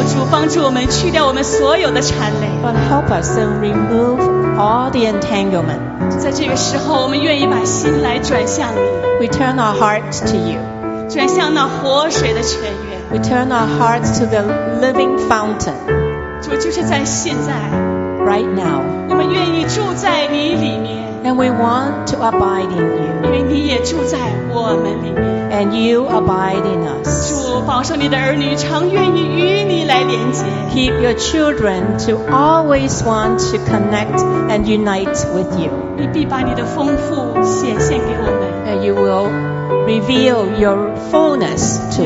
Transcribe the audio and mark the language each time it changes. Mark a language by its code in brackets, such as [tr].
[zh] 帮助我们去掉我们所有的缠累。 [en] But help us and remove all the entanglement. [zh] 在这个时候，我们愿意把心来转向你。 [en] We turn our hearts to you. [zh] 转向那活水的泉源。 [en] We turn our hearts to the living fountain. [zh] 主就是在现在。 [en] Right now. [zh] 我们愿意住在你里面。 [en] And we want to abide in you. [zh] 因为你也住在我们里面。 [en] And you abide in us. [zh] 主保守你的儿女常愿意与你来连接。 [en] Keep your children to always want to connect and unite with you. [zh] 你必把你的丰富显现给我们。 [en] And you will reveal your fullness to us.